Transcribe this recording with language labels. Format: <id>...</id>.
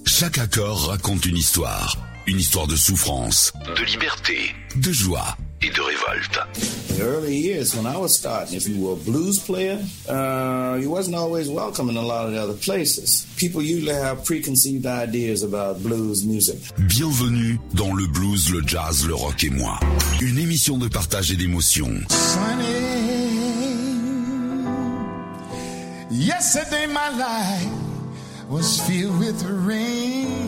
<fr>Chaque accord raconte une histoire. Une histoire de souffrance, de liberté, de joie et de révolte.</fr> <en>In the early years, when I was starting, if you were a blues player, you wasn't always welcome in a lot of the other places. People usually have preconceived ideas about blues music.</en> <fr>Bienvenue dans le blues, le jazz, le rock et moi. Une émission de partage et d'émotion.</fr> <en>Sunny, yesterday my life was filled with rain.</en>